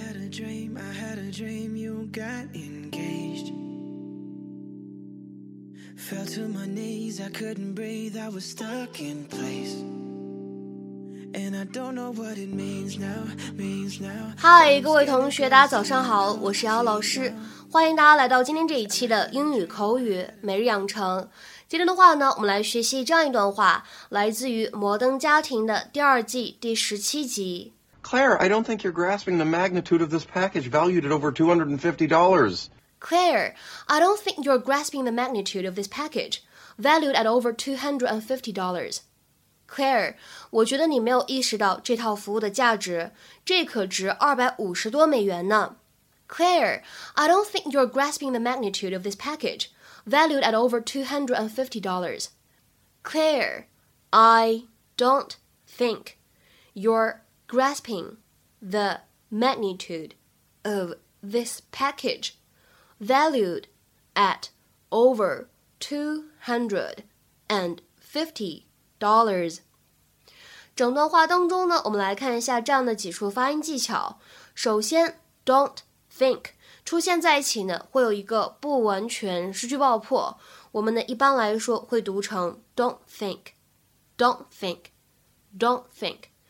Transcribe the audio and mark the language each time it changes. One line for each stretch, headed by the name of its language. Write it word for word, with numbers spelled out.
English: dream, I had a dream you got engaged. Fell to my knees, I couldn't breathe, I was stuck in place. And I don't know what it means now, means now.
Chinese: 嗨，各位同学，大家早上好，我是姚老师，欢迎大家来到今天这一期的英语口语每日养成。今天的话呢，我们来学习这样一段话，来自于《摩登家庭》的第二季第十七集。
English: Claire, I don't think you're grasping the magnitude of this package valued at over two hundred fifty dollars. Claire, I don't think you're grasping the magnitude of this package valued at over two hundred fifty dollars.
Chinese: Claire, 我觉得你没有意识到这套服务的价值，这可值二百五十多美元呢。
English: Claire, I don't think you're grasping the magnitude of this package valued at over two hundred fifty dollars. Claire, I don't think you're grasping the magnitude of this package valued at over two hundred fifty dollars.
Chinese: 整段话当中呢，我们来看一下这样的几处发音技巧。首先 don't think 出现在一起呢，会有一个不完全失去爆破，我们呢一般来说会读成
English: don't think don't think don't think。